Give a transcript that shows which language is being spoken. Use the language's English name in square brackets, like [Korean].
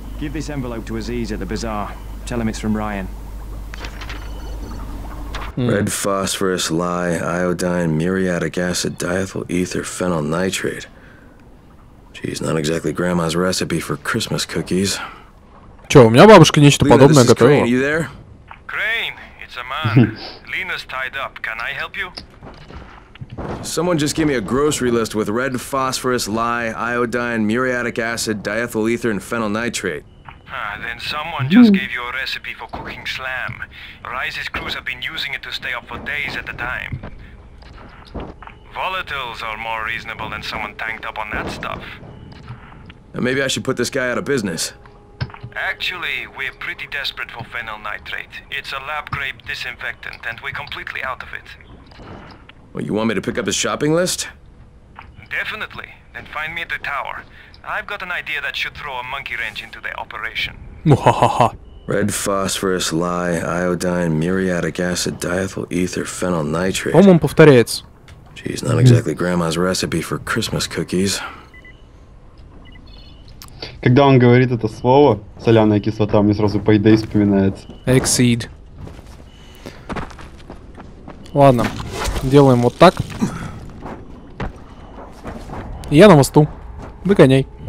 [English] Give this envelope to Aziz at the bazaar. Tell him it's from Ryan. Red phosphorus, lye, iodine, muriatic acid, diethyl ether, phenyl nitrate. Geez, not exactly grandma's recipe for Christmas cookies. [Russian] Чё, у меня бабушка нечто подобное готовила. [English] You there? Crane, it's a man. Lena's tied up. Can I help you? Someone just gave me a grocery list with red phosphorus, lye, iodine, muriatic acid, diethyl ether, and phenyl nitrate. Then someone just gave you a recipe for cooking slam. Rise's crews have been using it to stay up for days at a time. Volatiles are more reasonable than someone tanked up on that stuff. Now maybe I should put this guy out of business. Actually, we're pretty desperate for phenyl nitrate. It's a lab-grade disinfectant, and we're completely out of it. Well, you want me to pick up his shopping list? Definitely. Then find me at the tower. I've got an idea that should throw a monkey wrench into the operation. [Russian] Муха-ха-ха. [English] Red phosphorus, lye, iodine, muriatic acid, diethyl ether, phenyl nitrate. [Russian] По-моему, повторяется. [English] Geez, not exactly grandma's recipe for Christmas cookies. [Russian] Когда он говорит это слово, соляная кислота, мне сразу Payday вспоминается. [English] Exceed. [Russian] Ладно, делаем вот так. Я на мосту. Догоняй.